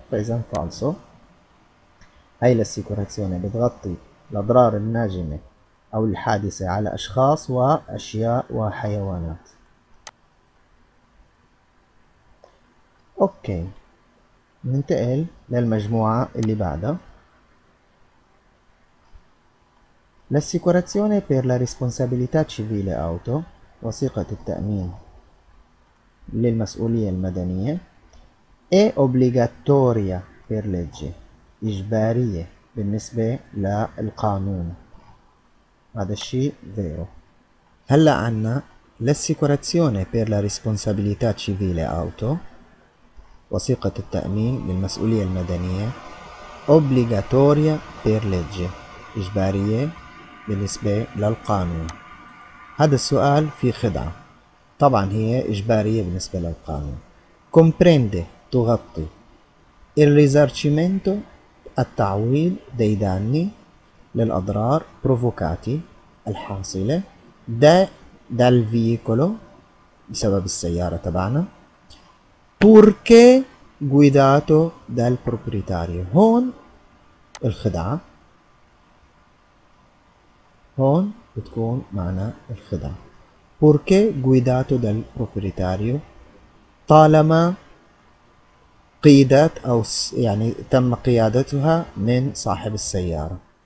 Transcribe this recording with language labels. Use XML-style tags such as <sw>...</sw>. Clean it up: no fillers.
<ar>فإذا فالسو, هاي الاسيكوراسيوني بتغطي الأضرار الناجمة أو الحادثة على أشخاص وأشياء وحيوانات. أوكي, ننتقل للمجموعة اللي بعدها.</ar> <it>L'assicurazione per la responsabilità civile auto,</it> <ar>وثيقة التأمين للمسؤولية المدنية,</ar> <it>è obbligatoria per legge,</it> <ar>إجبارية بالنسبة للقانون. هذا الشيء</ar> <it>vero.</it> <ar>هلا عنا</ar> <it>l'assicurazione per la responsabilità civile auto,</it> <ar>وثيقة التأمين للمسؤولية المدنية,</ar> <it>obbligatoria per legge,</it> <ar>إجبارية بالنسبة للقانون. هذا السؤال في خدعة, طبعا هي إجبارية بالنسبة للقانون.</ar> <it>comprende,</it> <ar>تغطي,</ar> <it>il risarcimento,</it> <ar>التعويض,</ar> <it>dei danni,</it> <ar>للأضرار,</ar> <it>provocati,</it> <ar>الحاصلة,</ar> <it>dal veicolo,</it> <ar>بسبب السيارة تبعنا,</ar> <it>purché guidato dal proprietario.</it> <ar>هون الخدعة, هون بتكون معنى الخدعة,</ar> <it>purché guidato dal proprietario,</it> <ar>طالما قيادت أو يعني تم قيادتها من صاحب السيارة.</ar>